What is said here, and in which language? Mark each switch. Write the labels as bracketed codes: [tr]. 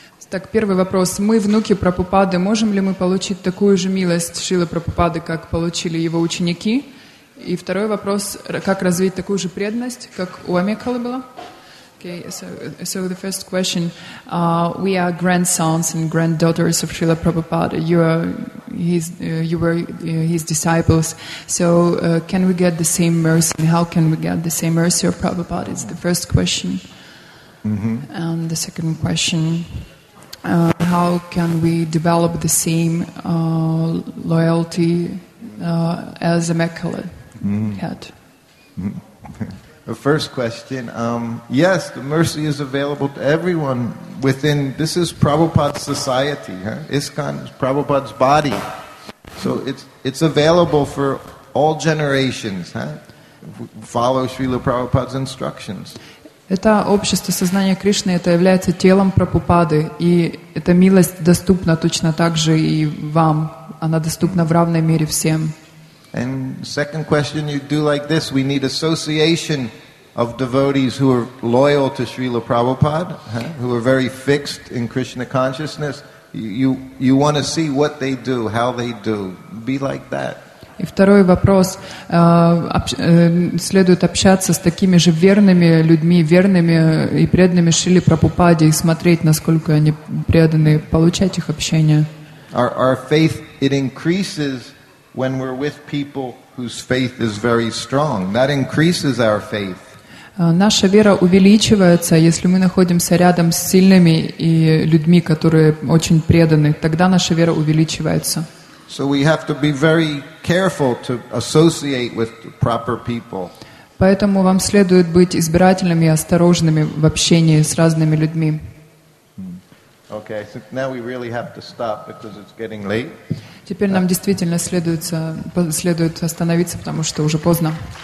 [ru] Так, первый вопрос. Мы внуки Прабхупады, можем ли мы получить такую же милость Шрилы Прабхупады, как получили его ученики? И второй вопрос. Как развить такую же преданность, как у Амекхалы было? [en] Okay, so the first question, we are grandsons and granddaughters of Srila Prabhupada. You were his disciples. So can we get the same mercy? How can we get the same mercy of Prabhupada? It's the first question. Mm-hmm. And the second question, how can we develop the same loyalty as Amekhala had? Mm-hmm. the first question. Yes, the mercy is available to everyone within. This is Prabhupada's society. Huh? ISKCON is Prabhupada's body. So it's available for all generations. Huh? Follow Srila Prabhupada's instructions. [ru] Это общество сознания Кришны, это является телом Прабхупады, и эта милость доступна точно так же и вам. Она доступна в равной мере всем. [en] And second question, you do like this. We need association of devotees who are loyal to Srila Prabhupada, who are very fixed in Krishna consciousness. You want to see what they do, how they do. Be like that. [ru] И второй вопрос. Следует общаться с такими же верными людьми, верными и преданными Шриле Прабхупаде, и смотреть, насколько они преданы, получать их общение. [en] Our faith, it increases when we're with people whose faith is very strong. That increases our faith. [ru] Наша вера увеличивается, если мы находимся рядом с сильными и людьми, которые очень преданы. Тогда наша вера увеличивается. [en] So we have to be very careful to associate with proper people. [ru] Поэтому вам следует быть избирательными и осторожными в общении с разными людьми. [en] Okay, so now we really have to stop because it's getting late. [ru] Теперь нам действительно следует остановиться, потому что уже поздно.